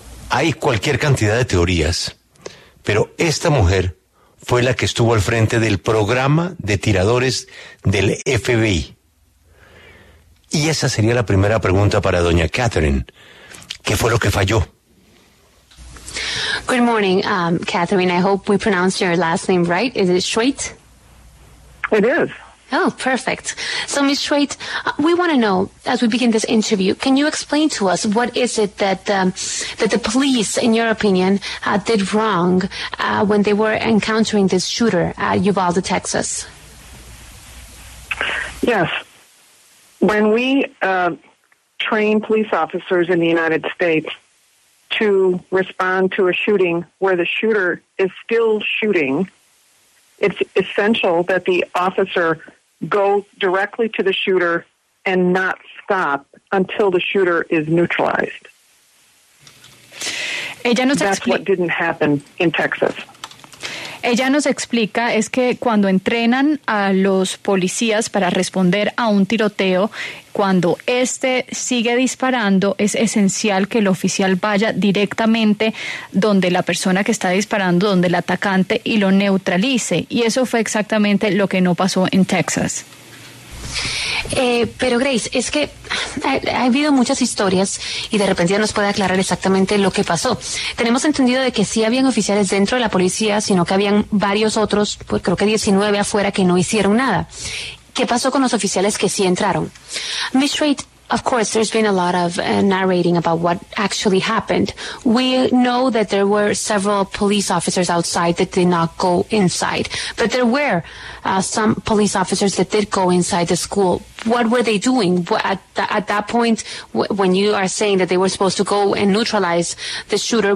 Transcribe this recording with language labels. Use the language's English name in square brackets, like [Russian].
[Spanish] Hay cualquier cantidad de teorías, pero esta mujer fue la que estuvo al frente del programa de tiradores del FBI. Y esa sería la primera pregunta para doña Catherine. ¿Qué fue lo que falló? [English] Good morning, Catherine. I hope we pronounced your last name right. Is it Schweit? It is. Oh, perfect. So, Ms. Schweit, we want to know, as we begin this interview, can you explain to us what is it that that the police, in your opinion, did wrong when they were encountering this shooter at Uvalde, Texas? Yes. When we train police officers in the United States to respond to a shooting where the shooter is still shooting, it's essential that the officer go directly to the shooter and not stop until the shooter is neutralized. That's what didn't happen in Texas. [Spanish] Ella nos explica es que cuando entrenan a los policías para responder a un tiroteo, cuando este sigue disparando, es esencial que el oficial vaya directamente donde la persona que está disparando, donde el atacante, y lo neutralice. Y eso fue exactamente lo que no pasó en Texas. Pero Grace, es que ha habido muchas historias y de repente ya nos puede aclarar exactamente lo que pasó. Tenemos entendido de que sí habían oficiales dentro de la policía, sino que habían varios otros, pues creo que 19 afuera, que no hicieron nada. ¿Qué pasó con los oficiales que sí entraron? [English] Ms. Schweit, of course, there's been a lot of narrating about what actually happened. We know that there were several police officers outside that did not go inside, but there were some police officers that did go inside the school. What were they doing at that point when you are saying that they were supposed to go and neutralize the shooter?